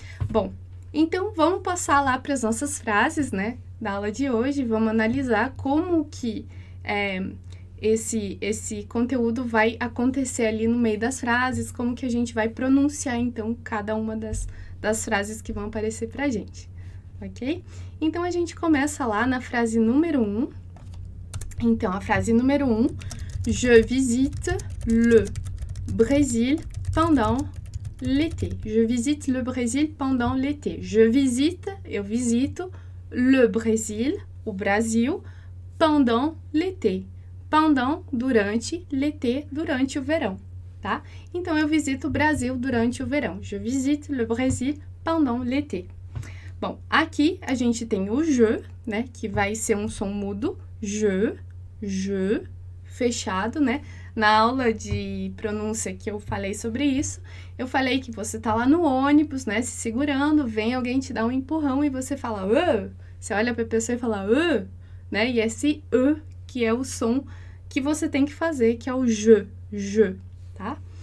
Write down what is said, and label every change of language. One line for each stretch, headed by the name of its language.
Portuguese: Bom, então vamos passar lá para as nossas frases, né, da aula de hoje, vamos analisar como que esse conteúdo vai acontecer ali no meio das frases, como que a gente vai pronunciar, então, cada uma das frases que vão aparecer para a gente. Ok? Então, a gente começa lá na frase número 1. Então, a frase número 1.
French: Je visite le Brésil pendant l'été. Je visite le Brésil pendant l'été.
Portuguese: Eu visito
French: le Brésil,
Portuguese: o Brasil,
French: pendant l'été.
Portuguese: Pendant, durante, l'été, durante o verão. Tá? Então, eu visito o Brasil durante o verão.
French: Je visite le Brésil pendant l'été.
Portuguese: Bom, aqui a gente tem o je, né, que vai ser um som mudo, je, fechado, né? Na aula de pronúncia que eu falei sobre isso, eu falei que você tá lá no ônibus, né, se segurando, vem alguém te dar um empurrão e você fala e, você olha pra pessoa e fala e, né, e esse e que é o som que você tem que fazer, que é o je, tá?